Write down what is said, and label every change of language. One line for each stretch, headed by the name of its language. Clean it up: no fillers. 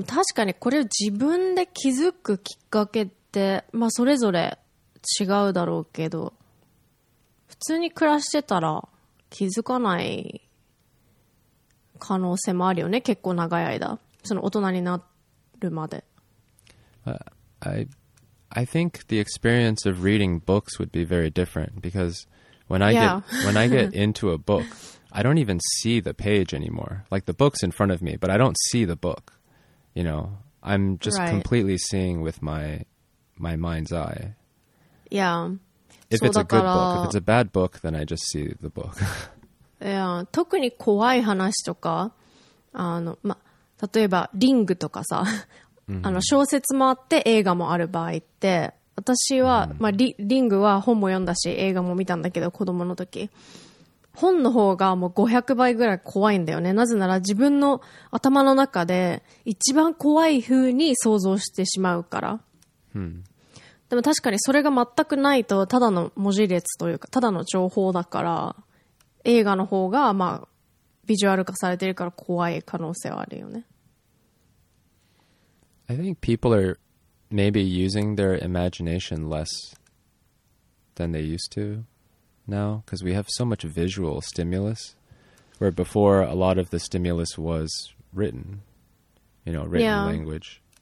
Japanese: でも確かにこれ自分で気づくきっかけって、まあ、それぞれ違うだろうけど普通に暮らしてたら気づかない可能性もあるよね結構長い間その大人になるまで。
English: I think the experience of reading books would be very different because when I when I get into a book, I don't even see the page anymore. Like the book's in front of me, but I don't see the book. You know, I'm just completely seeing with my mind's eye. Yeah. If it's a good book, if it's a bad book, then I just see the book. yeah.
Japanese: 特に怖い話とか、あの、ま例えばリングとかさあの小説もあって映画もある場合って私は、まあ、リングは本も読んだし映画も見たんだけど子供の時本の方がもう500倍ぐらい怖いんだよねなぜなら自分の頭の中で一番怖い風に想像してしまうから、うん、でも確かにそれが全くないとただの文字列というかただの情報だから映画の方がまあビジュアル化されてるから怖い可能性はあるよね。
English: I think people are maybe using their imagination less than they used to now because we have so much visual stimulus where before a lot of the stimulus was written, you know, written language.